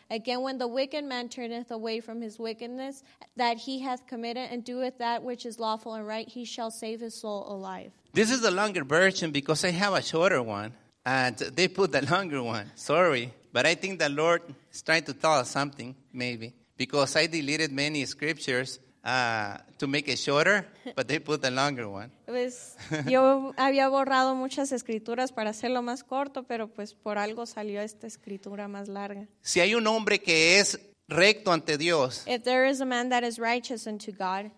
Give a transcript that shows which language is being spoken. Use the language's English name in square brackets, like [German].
[English] Again, when the wicked man turneth away from his wickedness that he hath committed and doeth that which is lawful and right, he shall save his soul alive. This is the longer version because I have a shorter one and they put the longer one. Sorry, but I think the Lord is trying to tell us something, maybe, because I deleted many scriptures to make it shorter, but they put the longer one. [Spanish] Pues, yo había borrado muchas escrituras para hacerlo más corto, pero pues por algo salió esta escritura más larga. Si hay un hombre que es recto ante Dios, [English] if there is a man that is righteous unto God,